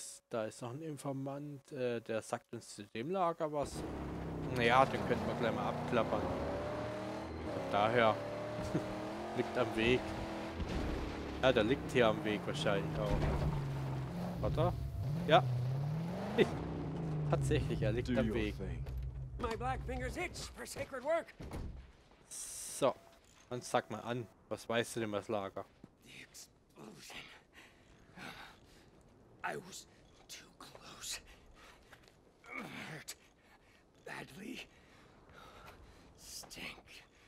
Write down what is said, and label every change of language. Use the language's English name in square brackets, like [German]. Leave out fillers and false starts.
[German] Da ist noch ein Informant. Der sagt uns zu dem Lager was. Naja, den könnten wir gleich mal abklappern. Von daher. Liegt am Weg. Ja, der liegt hier am Weg wahrscheinlich auch. Warte. Ja. Tatsächlich, er liegt am Weg. [English] My black fingers itch for sacred work. [German] So, dann sag mal an, was weißt du denn über das Lager? [English] The explosion. I was too close. Hurt badly. Stink.